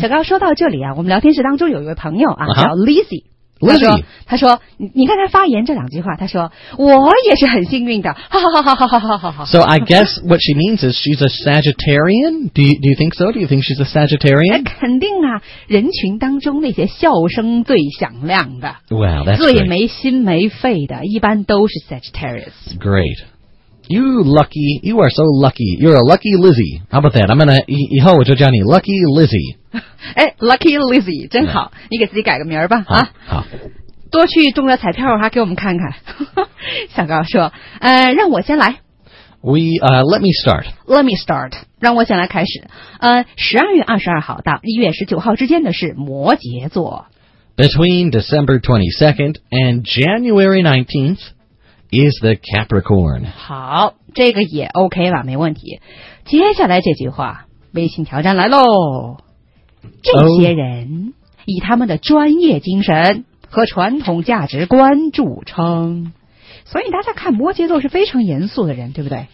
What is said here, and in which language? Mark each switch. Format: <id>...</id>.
<zh>小高说到这里啊我们聊天室当中有一位朋友啊、</zh> <en>uh-huh.</en> <zh>叫 Lizzie。</zh> <en>Lizzie?</en> <zh>他说你看他发言这两句话他说我也是很幸运的。</zh> <en>So I guess what she means is she's a Sagittarian? Do you think so? Do you think she's a Sagittarian?</en> <zh>肯定啊人群当中那些笑声最响亮的。</zh> <en>Wow, that's great.</en> <zh>最没心没肺的一般都是 Sagittarius.</zh> <en>Great. You lucky, you are so lucky. You're a lucky Lizzie. How about that? I'm gonna,</en> <zh>以后我就叫你</zh> <en>Lucky Lizzie.</en> <zh>哎 ,Lucky Lizzie, 真好。</zh> <en>Yeah.</en> <zh>你给自己改个名儿吧。好。多去中了彩票啊给我们看看。小高说让我先来。</zh> <en>Let me start. Let me start.</en> <zh>让我先来开始。 12月22号到1月19号之间的是摩羯座。</zh> <en>Between December 22nd and January 19th,Is the Capricorn.</en> <zh>好这个也 OK 吧没问题。接下来这句话微信挑战来咯。这些人、</zh> <en>oh.</en> <zh>以他们的专业精神和传统价值观著称。所以大家看摩羯座是非常严肃的人对不对</zh>